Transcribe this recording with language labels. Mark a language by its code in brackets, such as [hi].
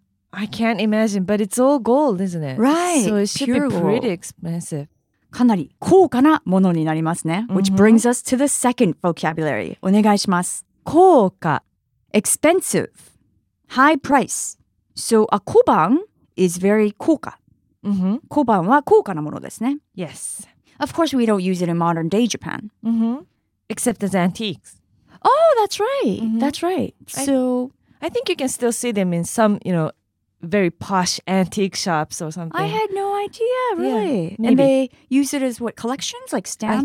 [en] I can't imagine, but it's all gold, isn't it? Right. So it should be pretty expensive. [ja] かなり高価なものになりますね。 [en] Mm-hmm. Which brings us to the second vocabulary. [ja] お願いします。高価。 [en] Expensive. High price. So a 小判 is very 高価。 Mm-hmm. [ja] 小判は高価なものですね。 [en] Yes. Of course, we don't use it in modern day Japan. Mm-hmm. Except as antiques. Oh, that's right. Mm-hmm. That's right. So I think you can still see them in some, you know,very posh antique shops or something. I had no idea, really. Yeah, maybe. And they use it as what, collections, like stamps?